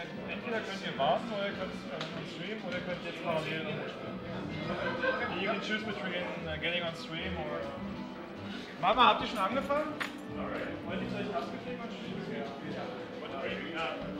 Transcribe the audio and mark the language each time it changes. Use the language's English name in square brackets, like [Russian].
[German] Entweder könnt ihr warten oder ihr könnt on stream oder könnt jetzt parallel spielen. [English] You can choose between getting on stream or. [German] Mama, habt ihr schon angefangen? Wollt ihr euch abgeklebt und spielen? Ja. Ja.